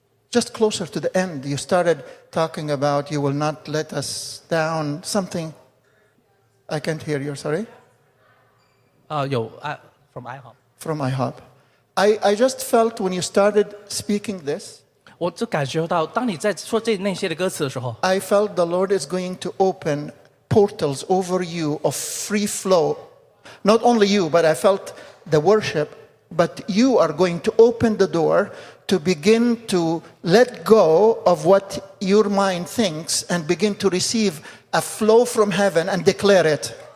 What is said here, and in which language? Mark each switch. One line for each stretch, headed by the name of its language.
English: Just closer to the end, you started talking about you will not let us down, something. I can't hear you, sorry. From IHOP. From IHOP. I just felt when you started speaking this,
Chinese: 我就感觉到当你在说这那些的歌词的时候,
English: I felt the Lord is going to open portals over you of free flow. Not only you, but I felt the worship, but you are going to open the door to begin to let go of what your mind thinks and begin to receive a flow from heaven and declare it.